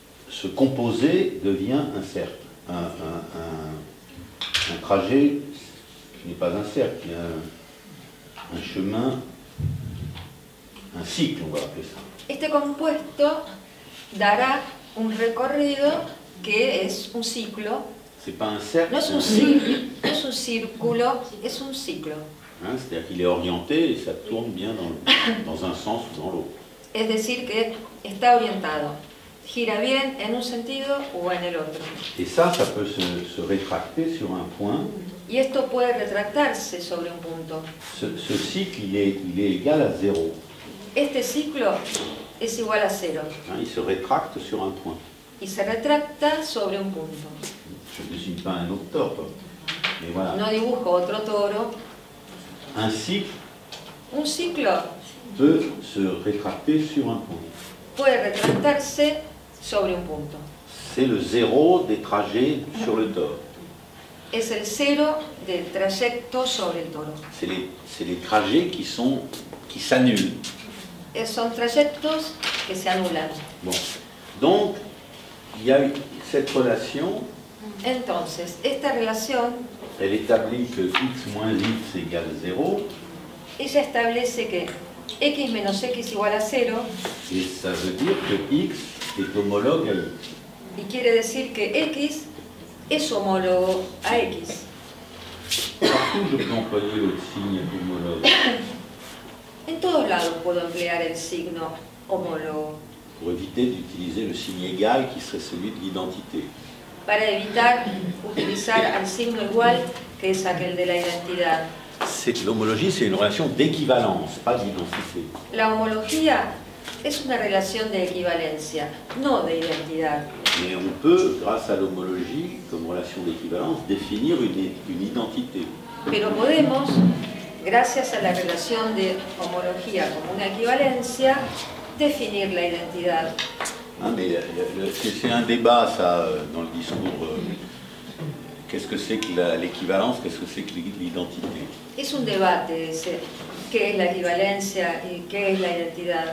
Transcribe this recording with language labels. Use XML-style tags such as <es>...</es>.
<fr>Ce composé devient un cercle. Un trajet qui n'est pas un cercle, mais un chemin, un cycle, on va appeler ça.</fr> <es>Este compuesto dará un recorrido. Que es un ciclo.</es> <fr>C'est pas un cercle,</fr> <es>no es un ciclo, es un círculo, es un ciclo.</es> <fr>C'est-à-dire qu'il est orienté et ça tourne bien dans un sens ou dans l'autre.</fr> <es>Es decir que está orientado, gira bien en un sentido o en el otro.</es> <fr>Et ça peut se rétracter sur un point.</fr> <es>Y esto puede retractarse sobre un punto.</es> <fr>Ce cycle, il est égal à zéro.</fr> <es>Este ciclo es igual a cero.</es> <fr>Il se rétracte sur un point.</fr> <es>Y se retracta sobre un punto.</es> <fr>Je ne dessine pas un autre toro. Mais voilà.</fr> <es>No dibujo otro toro.</es> <fr>Un cycle.</fr> <es>Un ciclo.</es> <fr>Peut se rétracter sur un point.</fr> <es>Puede retractarse sobre un punto.</es> <fr>C'est le zéro des trajets sur le toro.</fr> <es>Es el cero del trayecto sobre el toro.</es> <fr>C'est les trajets qui s'annulent.</fr> <es>Es son trayectos que se anulan.</es> <fr>Bon. Donc il y a cette relation.</fr> <es>Entonces, esta relación.</es> <fr>Elle établit que x moins x égale 0.</fr> <es>Ella establece que x menos x igual a 0.</es> <fr>Et ça veut dire que x est homologue à x.</fr> <es>Y quiere decir que x es homólogo a x.</es> <fr>Partout, je peux employer le signe homologue.</fr> <es>En todos lados puedo emplear el signo homólogo.</es> <fr>Pour éviter d'utiliser le signe égal qui serait celui de l'identité.</fr> <es>Para evitar utilizar el signo igual que es aquel de la identidad.</es> <fr>L'homologie, c'est une relation d'équivalence, pas d'identité.</fr> <es>La homología es una relación de equivalencia, no de identidad.</es> <fr>Mais on peut, grâce à l'homologie, comme relation d'équivalence, définir une identité.</fr> <es>Pero podemos, gracias a la relación de homología como una equivalencia,</es> <fr>définir la identité. Ah, mais c'est un débat, ça, dans le discours. Qu'est-ce que c'est que l'équivalence, qu'est-ce que c'est que l'identité? C'est un débat, c'est qu'est l'équivalence et qu'est l'identité.</fr>